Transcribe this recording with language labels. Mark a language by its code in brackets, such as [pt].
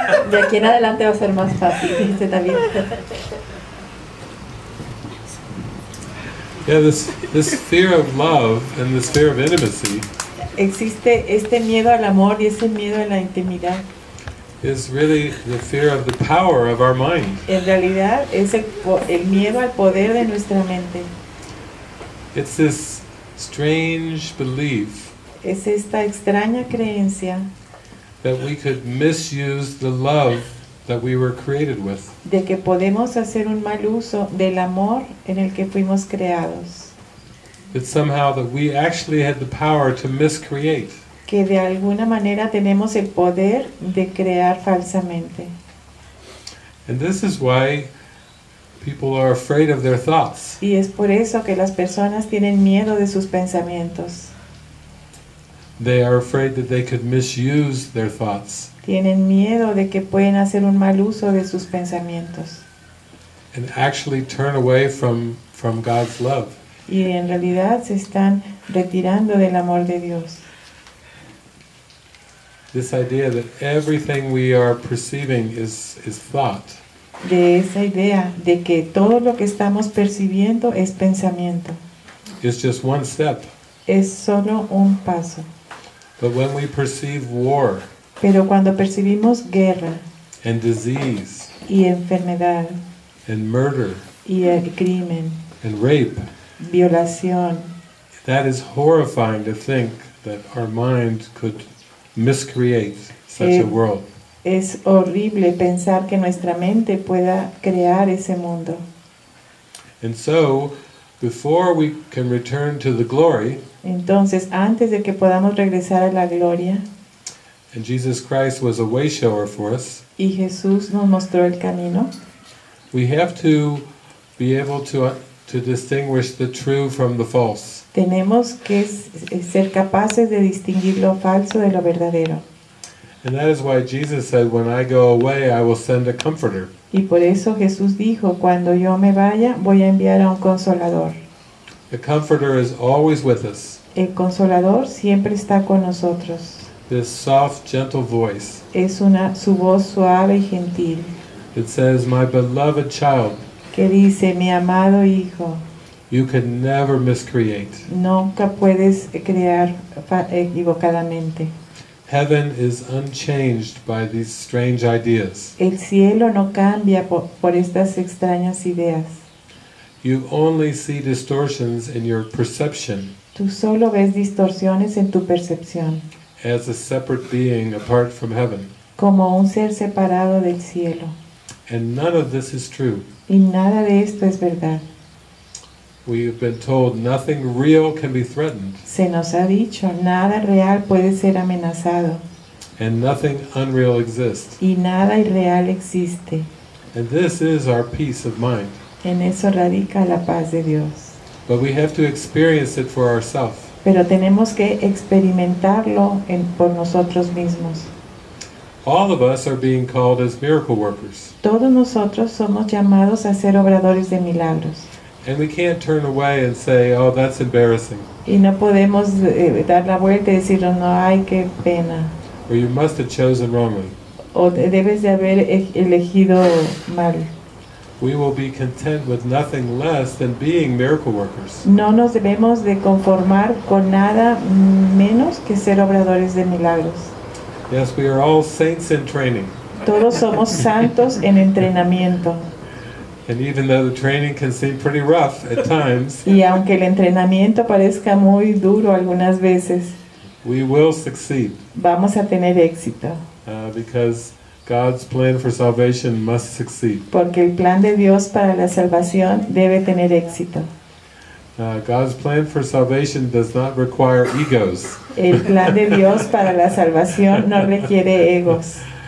[es] De aquí en adelante va a ser más fácil, dice también. [en] Yeah, this fear of love and this fear of intimacy. [es] Existe este miedo al amor y ese miedo a la intimidad. [en] Is really the fear of the power of our mind. [es] En realidad es el miedo al poder de nuestra mente. [en] It's this strange belief. [es] Es esta extraña creencia. [en] That we could misuse the love that we were created with. [es] De que podemos hacer un mal uso del amor en el que fuimos creados. [en] That somehow that we actually had the power to miscreate. [es] Que de alguna manera tenemos el poder de crear falsamente. [en] And this is why people are afraid of their thoughts. [es] Y es por eso que las personas tienen miedo de sus pensamientos. [en] They are afraid that they could misuse their thoughts. [es] Tienen miedo de que pueden hacer un mal uso de sus pensamientos. [en] And actually turn away from God's love. [es] Y en realidad se están retirando del amor de Dios. [en] This idea that everything we are perceiving is thought. [es] De esa idea de que todo lo que estamos percibiendo es pensamiento. [en] It's just one step. [es] Es solo un paso. [en] But when we perceive war, [es] pero cuando percibimos guerra, [en] and disease, [es] y enfermedad, [en] and murder, [es] y el crimen, [en] and rape, [es] violación, [en] that is horrifying to think that our mind could miscreate such a world. [es] Es horrible pensar que nuestra mente pueda crear ese mundo. [en] And so, before we can return to the glory, [es] entonces, antes de que podamos regresar a la gloria, [en] and Jesus Christ was a way shower for us, [es] y Jesús nos mostró el camino, [en] we have to be able to distinguish the true from the false. [es] Tenemos que ser capaces de distinguir lo falso de lo verdadero. [en] And that is why Jesus said, when I go away, I will send a comforter. [es] Y por eso Jesús dijo, cuando yo me vaya, voy a enviar a un consolador. [en] The comforter is always with us. [es] El consolador siempre está con nosotros. [en] This soft, gentle voice. [es] Es una su voz suave y gentil. [en] It says, "My beloved child." [es] Que dice, mi amado hijo. [en] You can never miscreate. [es] Nunca puedes crear equivocadamente. [en] Heaven is unchanged by these strange ideas. [es] El cielo no cambia por estas extrañas ideas. [en] You only see distortions in your perception. [es] Tú solo ves distorsiones en tu percepción. [en] As a separate being apart from heaven. [es] Como un ser separado del cielo. [en] And none of this is true. [es] Y nada de esto es verdad. [en] We have been told nothing real can be threatened. [es] Se nos ha dicho, nada real puede ser amenazado. [en] And nothing unreal exists. [es] Y nada irreal existe. [en] And this is our peace of mind. [es] En eso radica la paz de Dios. [en] But we have to experience it for ourselves. [es] Pero tenemos que experimentarlo en, por nosotros mismos. [en] All of us are being called as miracle workers. [es] Todos nosotros somos llamados a ser obradores de milagros. [en] And we can't turn away and say, "Oh, that's embarrassing." [es] Y no podemos dar la vuelta y decir, "No, ay, qué pena." [en] Or you must have chosen wrongly. [es] O debes de haber elegido mal. [en] We will be content with nothing less than being miracle workers. [es] No nos debemos de conformar con nada menos que ser obradores de milagros. [en] Yes, we are all saints in training. [es] Todos somos santos en entrenamiento. [en] And even though the training can seem pretty rough at times, [es] y aunque el entrenamiento parezca muy duro algunas veces, [en] we will succeed. [es] Vamos a tener éxito. [en] Because God's plan for salvation must succeed. [es] Porque el plan de Dios para la salvación debe tener éxito. [en] God's plan for salvation does not require egos. [es] El plan de Dios para la salvación no requiere egos.